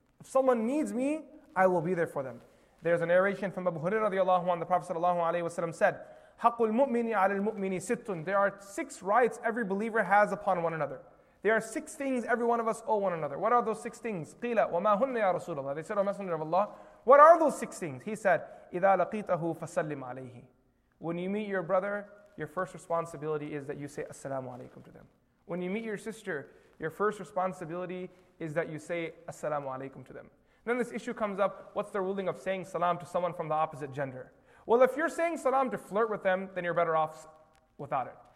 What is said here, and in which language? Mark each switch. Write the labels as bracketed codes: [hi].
[en] If someone needs me, I will be there for them. There's a narration from Abu Hurairah radiallahu anhu, the Prophet sallallahu alayhi wa sallam said, [ar] حَقُّ الْمُؤْمِنِ عَلَى الْمُؤْمِنِ سِتٌ. [en] There are six rights every believer has upon one another. There are six things every one of us owe one another. What are those six things? [ar] قِيلَ وَمَا هُنَّ يَا رَسُولَ اللَّهِ. [en] They said, O Messenger of Allah, What are those six things? He said, [ar] إِذَا لَقِيتَهُ فَسَلِّمْ عَلَيْهِ. [en] When you meet your brother, your first responsibility is that you say assalamu alaikum to them. When you meet your sister, your first responsibility is that you say assalamu alaikum to them. Then this issue comes up, what's the ruling of saying salam to someone from the opposite gender? Well, if you're saying salam to flirt with them, then you're better off without it.